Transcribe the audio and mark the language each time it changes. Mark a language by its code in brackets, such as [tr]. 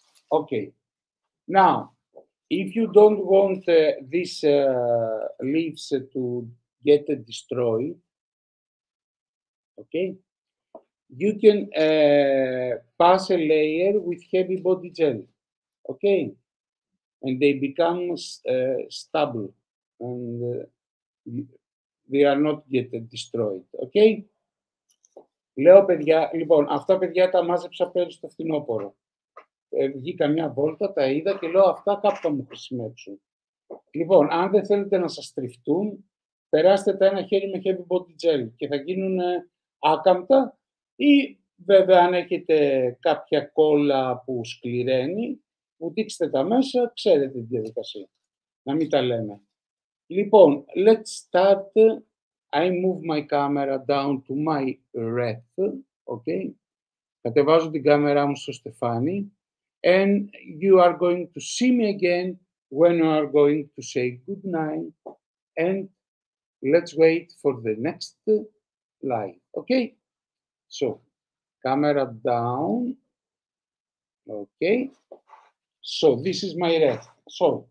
[en] Okay, now, if you don't want these leaves to get destroyed, okay, you can pass a layer with heavy body gel, okay, and they become stubble, and they are not get destroyed, okay. [el] Λέω παιδιά, λοιπόν, αυτά παιδιά τα μάζεψα πέρυσι στο φθινόπωρο. Βγήκα μια βόλτα, τα είδα και λέω αυτά κάπου θα μου χρησιμεύσουν. Λοιπόν, αν δεν θέλετε να σας τριφτούν, περάστε τα ένα χέρι με heavy body gel και θα γίνουν άκαμπτα, ή βέβαια αν έχετε κάποια κόλλα που σκληραίνει, βουτήξτε τα μέσα, ξέρετε τη διαδικασία. Να μην τα λέμε. Λοιπόν, [en] let's start. I move my camera down to my ref. Okay. [el] Κατεβάζω την κάμερά μου στο στεφάνι. [en] And you are going to see me again when you are going to say good night, and let's wait for the next live. Okay, so camera down. Okay, so this is my ref. So